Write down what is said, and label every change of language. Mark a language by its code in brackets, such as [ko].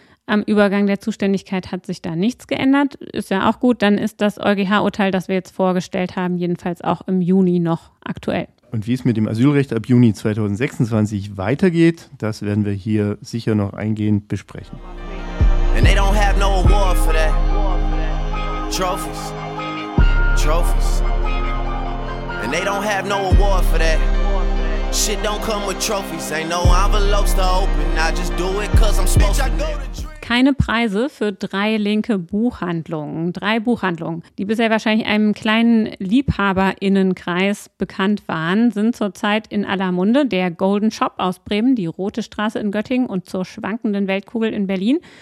[de] Am Übergang der Zuständigkeit hat sich da nichts geändert. Ist ja auch gut. Dann ist das EuGH-Urteil, das wir jetzt vorgestellt haben, jedenfalls auch im Juni noch aktuell. Und wie es mit dem Asylrecht ab Juni 2026 weitergeht, das werden wir hier sicher noch eingehend besprechen. [en] And they don't have no award for that. Trophies. Trophies. And they don't have no award for that. Shit don't come with trophies. Ain't no envelopes to open. I just do it cause I'm supposed to. [de] Keine Preise für 3 linke Buchhandlungen. 3 Buchhandlungen, die bisher wahrscheinlich einem kleinen LiebhaberInnenkreis bekannt waren, sind zurzeit in aller Munde. Der Golden Shop aus Bremen, die Rote Straße in Göttingen und zur Schwankenden Weltkugel in Berlin.